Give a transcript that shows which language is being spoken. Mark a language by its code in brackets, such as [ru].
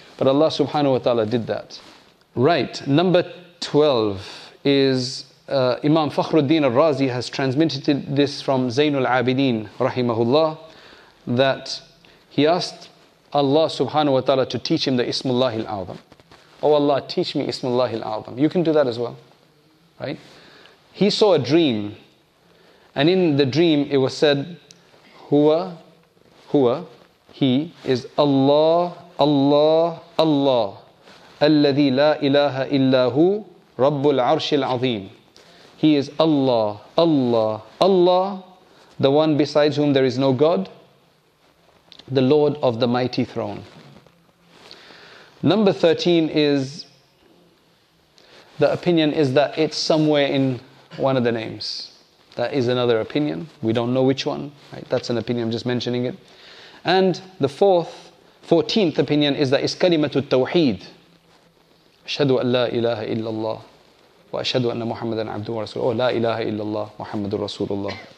[en] But Allah subhanahu wa ta'ala did that. Right, number 12 is Imam Fakhruddin al-Razi has transmitted this from Zainul Abidin, rahimahullah, that he asked Allah subhanahu wa ta'ala to teach him the Ismullah al-Azam. Oh Allah, teach me Ismullah al-Azam. You can do that as well, right? He saw a dream, and in the dream it was said, Huwa, he is Allah, Allah, Allah. [ar] الذي لا إله إلا هو رب العرش العظيم. [en] He is Allah, Allah, Allah, the one besides whom there is no God, the Lord of the mighty throne. Number 13 is, the opinion is that it's somewhere in one of the names. That is another opinion. We don't know which one. Right? That's an opinion, I'm just mentioning it. And the 14th opinion is that it's kalimatu tawheed. [ar] أشهد أن لا إله إلا الله وأشهد أن محمدا عبده ورسوله. لا إله إلا الله محمد رسول الله.